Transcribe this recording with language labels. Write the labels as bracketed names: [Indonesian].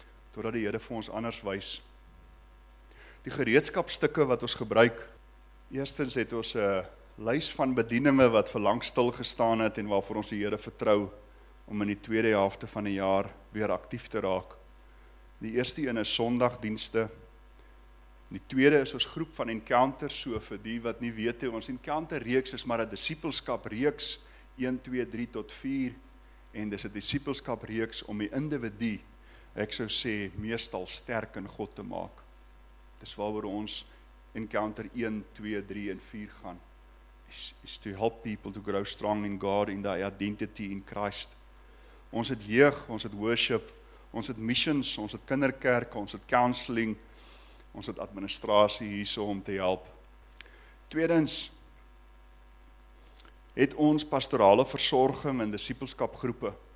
[Afrikaans] Totdat die Here vir ons anders wys. Die gereedskapstukke wat ons gebruik. Eerstens het ons 'n lys van bedieninge wat verlang stil gestaan het en waarvoor ons die Here vertrou om in die tweede helfte van die jaar weer aktief te raak. Die eerste een is sondagdienste. Die tweede is ons groep van encounters, so vir die wat nie weet, ons encounter reeks is maar 'n disipelskap reeks 1 2 3 tot 4 en dis 'n disipelskap reeks om die individu, ek sou sê, meestal sterk in God te maak. Dis waaroor ons encounter 1 2 3 en 4 gaan. [English] Is to help people to grow strong in God in their identity in Christ. [Afrikaans] Ons het jeug, ons het worship, ons het missions, ons het kinderkerke, ons het counseling, ons het administrasie hierso om te help. Tweedens, het ons pastorale versorging en disipelskapgroepe.